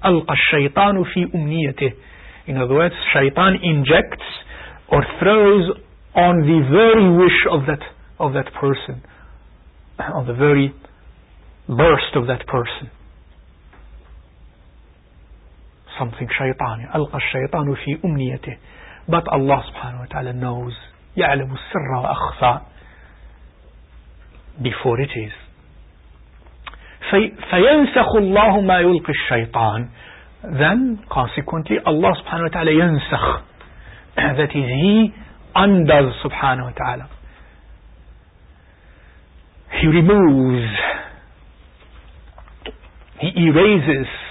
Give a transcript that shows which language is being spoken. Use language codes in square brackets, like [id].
[ar] Alqa shaytanu fi umniyatihi. [en] In other words, shaytan injects or throws on the very wish of that person, on the very burst of that person, something shaytani. [ar] Alqa shaytanu fi umniyatihi. [en] But Allah subhanahu wa ta'ala knows. [ar] يعلم السر وأخفى [en] before it is. [ar] فينسخ الله ما يلقي الشيطان. [en] Then consequently Allah subhanahu wa ta'ala ينسخ, that is he undoes subhanahu wa ta'ala, he removes, he erases.